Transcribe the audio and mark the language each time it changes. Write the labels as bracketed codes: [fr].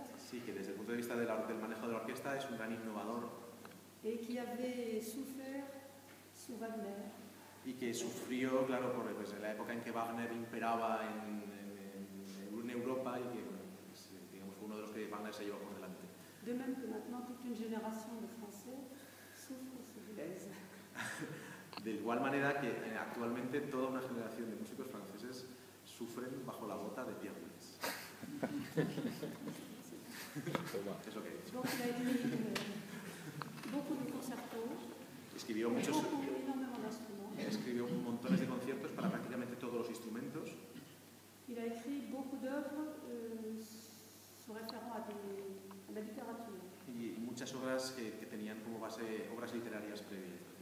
[es] Sí, que desde el punto de vista del manejo de la orquesta es un gran innovador. [fr] Et qui avait souffert. [es] Y que sufrió, claro, por pues, la época en que Wagner imperaba en Europa y que, bueno, pues, digamos, fue uno de los que Wagner se llevó por delante. [fr] De même que maintenant toute une génération de Français souffre sous. [es] De igual manera que actualmente toda una generación de músicos franceses sufren bajo la bota de Pierre Boulez. Eso que he dicho. [fr] Beaucoup de concertos. [es] Escribió escribió montones de conciertos para prácticamente todos los instrumentos. [fr] Il a écrit beaucoup d'œuvres se référant à la littérature. [es] Y muchas obras que tenían como base obras literarias previas.